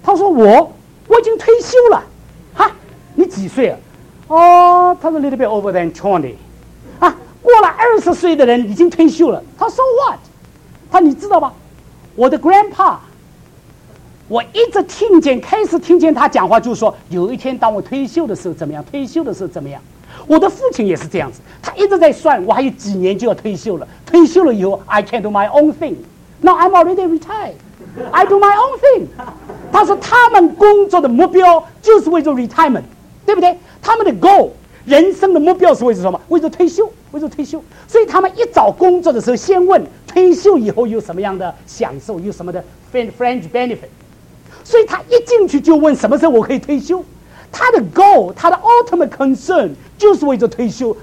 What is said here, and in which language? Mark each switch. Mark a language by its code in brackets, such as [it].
[zh] 他说：“我已经退休了。”“哈，你几岁啊？”“哦，他说 [en] little bit over than 20。” [zh] 过了20岁的人已经退休了。他说 what？ 他说你知道吧，我的 grandpa， 我一直听见，开始听见他讲话，就是说有一天当我退休的时候怎么样，退休的时候怎么样。我的父亲也是这样子，他一直在算我还有几年就要退休了，退休了以后 [en] I can do my own thing， [zh] now I'm already retired， I do my own thing。他说他们工作的目标就是为了 retirement， 对不对？他们的 goal， 人生的目标是为了什么？为了退休，为了退休。所以他们一找工作的时候先问退休以后有什么样的享受，有什么的 [en] fringe benefit。 [zh] 所以他一进去就问什么时候我可以退休，他的 goal， 他的 [en] ultimate concern [zh] 就是为了退休。